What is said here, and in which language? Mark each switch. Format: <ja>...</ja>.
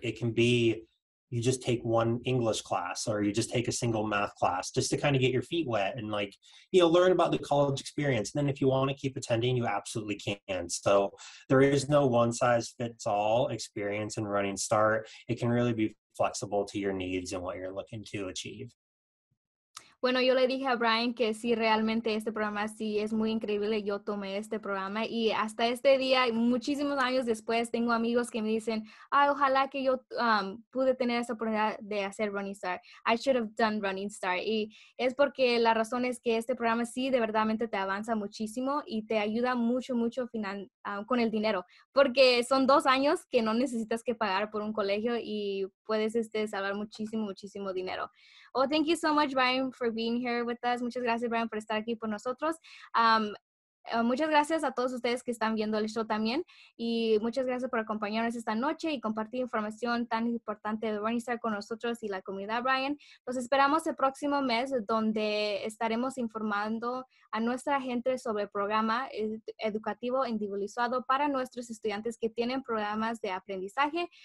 <en>It can be you just take one English class or you just take a single math class just to kind of get your feet wet and, like, you know, learn about the college experience. And then if you want to keep attending, you absolutely can. So there is no one size fits all experience in Running Start. It can really be flexible to your needs and what you're looking to achieve.</en> <es>Bueno, yo le dije a Brian que sí, realmente este programa sí es muy increíble. Yo tomé este programa y hasta este día, muchísimos años después, tengo amigos que me dicen, ay, ojalá que yo pude tener esa oportunidad de hacer Running Start.</es> <en>I should have done Running Start.</en> <es>Y es porque la razón es que este programa sí, de verdad, te avanza muchísimo y te ayuda mucho, mucho con el dinero. Porque son 2 años que no necesitas que pagar por un colegio y puedes salvar muchísimo, muchísimo dinero.</es> <en>Oh, thank you so much, Brian, for being here with us.</en> <es>Muchas gracias, Brian, por estar aquí con nosotros. Muchas gracias a todos ustedes que están viendo el show también. Y muchas gracias por acompañarnos esta noche y compartir información tan importante de Running Start con nosotros y la comunidad, Brian. Los esperamos el próximo mes, donde estaremos informando a nuestra gente sobre el programa educativo individualizado para nuestros estudiantes que tienen programas de aprendizaje.</es>